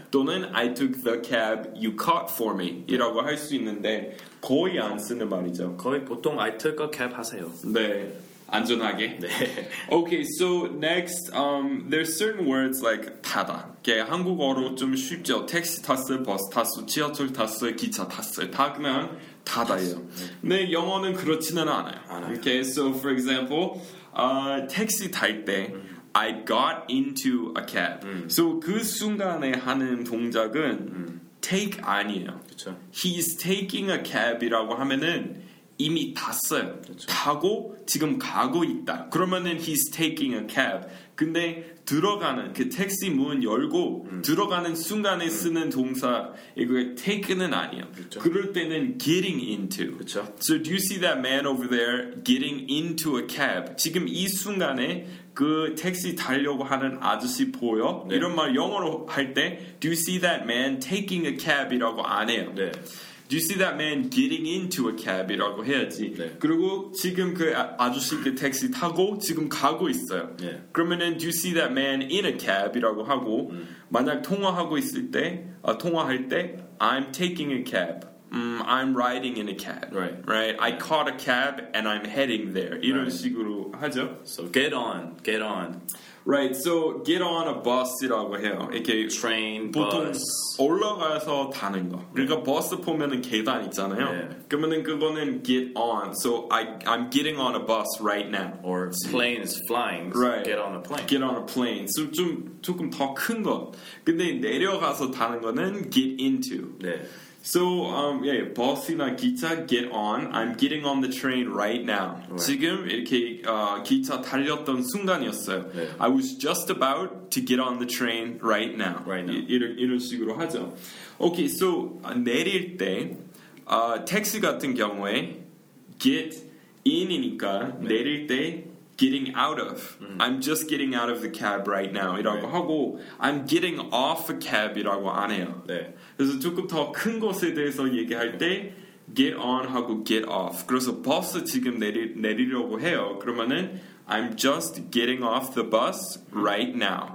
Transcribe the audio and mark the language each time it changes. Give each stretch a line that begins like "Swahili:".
English: 또는 I took the cab you caught for me 네.
Korean: 이라고 할 수 있는데 거의 안 쓰는 말이죠. 거의 보통
English: I took a cab
Korean: 하세요. 네. 안전하게. 네. Okay, so next, there's certain words like 타다. 게 한국어로 좀 쉽죠. 택시 탔어요, 버스 탔어요, 지하철 탔어요, 기차 탔어요. 다 그냥 타다예요. 근데 네. 영어는 그렇지는 않아요. 알아요.
English: Okay, so for example,
Korean: 택시 탈 때
English: I got into a cab.
Korean: So 그 순간에 하는 동작은 take 아니에요. 그쵸.
English: He's taking a cab
Korean: 이라고 하면은 이미 탔어요. 그렇죠. 타고 지금 가고 있다. 그러면은
English: he's taking a cab.
Korean: 근데 들어가는 그 택시 문 열고 들어가는 순간에 쓰는 동사 이거 take는 아니에요. 그렇죠. 그럴 때는 getting into. 그렇죠.
English: So do you see that man over there getting into a cab?
Korean: 지금 이 순간에 그 택시 타려고 하는 아저씨 보여? 네. 이런 말 영어로 할 때
English: do you see that man taking a cab
Korean: 이라고 안 해요. 네.
English: Do you see that man getting into a cab?
Korean: 이라고 해야지. 네. 그리고 지금 그 아저씨 그 택시 타고 지금 가고 있어요. 네.
English: 그러면은 Do you see that man in a cab?
Korean: 이라고 하고 만약 통화하고 있을 때 통화할 때
English: I'm taking a cab. I'm riding in a cab. Right. Right? I caught a cab and I'm heading there.
Korean: 이런
English: right.
Korean: 식으로 하죠.
English: So get on. Get on. Right, so get on a bus이라고 해요. 이렇게 train,
Korean: 보통
English: bus.
Korean: 올라가서 타는 거. 그러니까 네. 버스 보면은 계단 있잖아요. 네. 그러면은 그거는 get on.
English: So I'm getting on a bus right now. Or plane is flying. So right. Get on a plane. Get on a plane. So
Korean: 좀 조금 더 큰 것. 근데 내려가서 타는 거는 get into. 네.
English: So yeah,
Korean: 버스나 기차
English: get on. I'm getting on the train right now. Right.
Korean: 지금 이렇게 기차 달렸던 순간이었어요. 네.
English: I was just about to get on the train right now. Right now.
Korean: 이런 식으로 하죠.
English: Okay, so
Korean: 내릴 때 택시 같은 경우에 get in이니까 네. 내릴 때 getting out of.
English: I'm just getting out of the cab right now.
Korean: 이라고
English: right.
Korean: 하고
English: I'm getting off a cab
Korean: 이라고 안 해요. 네. 그래서 조금 더 큰 것에 대해서 얘기할 때 get on 하고 get off. 그래서 버스 지금 내리려고 해요.
English: 그러면은 I'm just getting off the bus right now.